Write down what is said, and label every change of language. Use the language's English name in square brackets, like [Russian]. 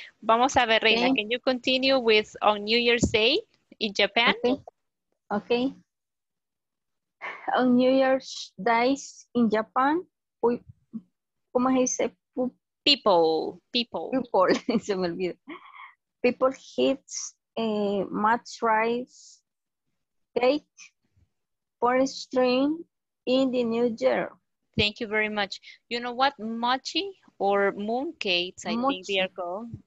[Spanish] Vamos a ver, [English] Reina, can you continue with on New Year's Day in Japan? Okay. On New Year's Day in Japan, [Spanish] ¿cómo se dice? [English] People. [Spanish] Se me olvidó. [English] People eat much rice, cake, for stream in the new year. Thank you very much. You know what? Mochi or mooncakes, I think they are called.